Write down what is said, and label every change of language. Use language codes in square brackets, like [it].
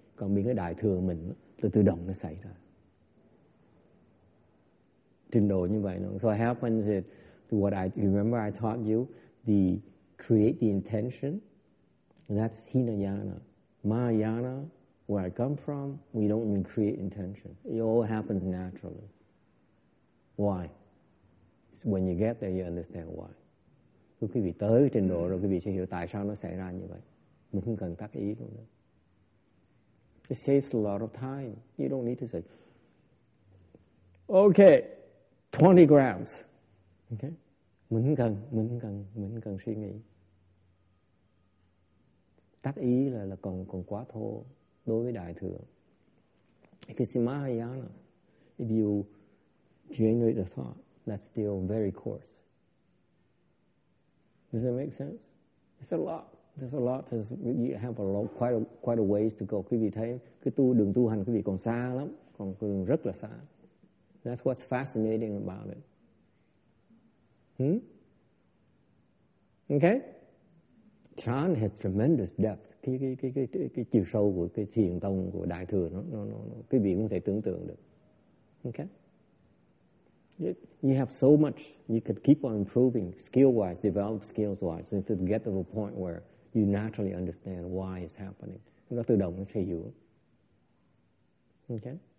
[vi] Còn bên cái đại thừa mình là tự động nó xảy ra. Trình độ như vậy. [en] So what happens is what I remember I taught you, the create the intention, and that's Hinayana. Mahayana, where I come from, we don't even create intention. It all happens naturally. Why? So when you get there, you understand why. [vi] Khi quý vị tới trình độ rồi, quý vị sẽ hiểu tại sao nó xảy ra như vậy. Mình không cần tác ý luôn nữa. [en] It saves a lot of time. You don't need to say, okay, 20 grams. Okay? [vi] Mình không cần suy nghĩ. Tác ý là còn quá thô đối với đại thừa. [en] Because in Mahayana, if you generate a thought, that's still very coarse. Does it make sense? It's a lot. There's a lot. You have quite a ways to go. [vi] Quý vị thấy cái đường tu hành quý vị còn xa lắm, còn đường rất là xa. [en] That's what's fascinating about it. Okay. Chan has tremendous depth. [vi] Cái chiều sâu của cái thiền tông của đại thừa nó quý vị không thể tưởng tượng được. [en] Okay. You have so much, you could keep on improving skill-wise, develop skills-wise, and to get to the point where you naturally understand why it's happening. [vi] Nó tự động nó sẽ hiểu. [en] Okay?